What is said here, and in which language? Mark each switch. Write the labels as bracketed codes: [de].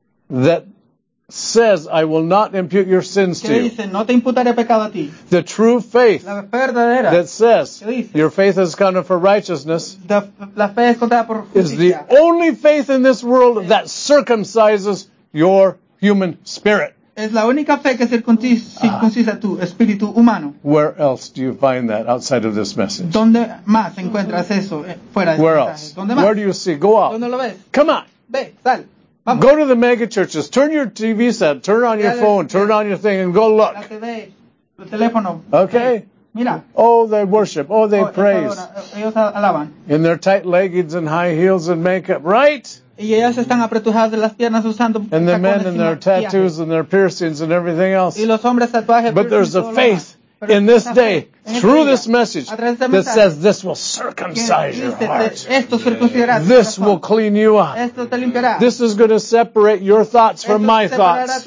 [en] that says, I will not impute your sins to you. [es] Dice, no te imputaré pecado a ti. [en] The true faith [es] la fe verdadera, [en] that says, [es] dice, [en] your faith is counted for righteousness, [es] la fe es contada por justicia, [en] is the only faith in this world es, that circumcises your human spirit. [es] Es la única fe que circuncisa tu espíritu humano. [en] Where else do you find that outside of this message? [es] ¿Dónde más encuentras eso fuera de [en] Where else? [es] ¿Dónde más? [en] Where do you see? Go out. [es] ¿Dónde lo ves? [en] Come on. [es] Ve, sal. Vamos. [en] Go to the mega churches. Turn your TV set. Turn on your phone. Turn on your thing and go look. [es] La TV, el teléfono. [en] Okay. [es] Mira. [en] Oh, they worship. Oh, they praise. [es] Ellos alaban. [en] In their tight leggings and high heels and makeup, right? [es] Y ellas están apretujadas de las piernas usando [en] And the men and their tattoos and their piercings and everything else. [es] Y los hombres tatuajes. [en] But there's a faith in this day through this message that says this will circumcise your heart. This will clean you up. This is going to separate your thoughts from my thoughts.